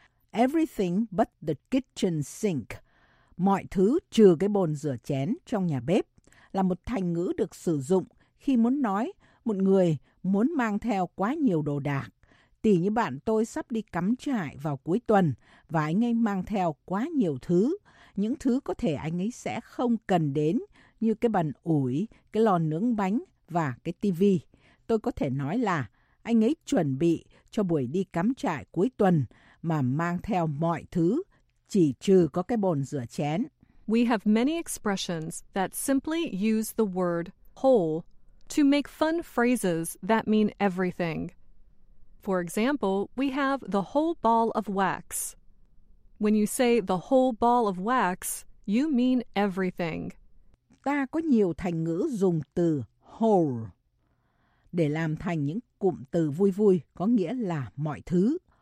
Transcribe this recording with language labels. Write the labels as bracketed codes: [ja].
[en] Everything but the kitchen sink. [vi] Mọi thứ trừ cái bồn rửa chén trong nhà bếp là một thành ngữ được sử dụng khi muốn nói một người muốn mang theo quá nhiều đồ đạc. Tỷ như bạn tôi sắp đi cắm trại vào cuối tuần và anh ấy mang theo quá nhiều thứ. Những thứ có thể anh ấy sẽ không cần đến như cái bàn ủi, cái lò nướng bánh và cái tivi. Tôi có thể nói là anh ấy chuẩn bị cho buổi đi cắm trại cuối tuần mà mang theo mọi thứ, chỉ trừ có cái bồn rửa chén. [en] We have many expressions that simply use the word whole to make fun phrases that mean everything. For example, we have the whole ball of wax. When you say the whole ball of wax, you mean everything. [vi] Ta có nhiều thành ngữ dùng từ whole để làm thành những cụm từ vui vui có nghĩa là mọi thứ.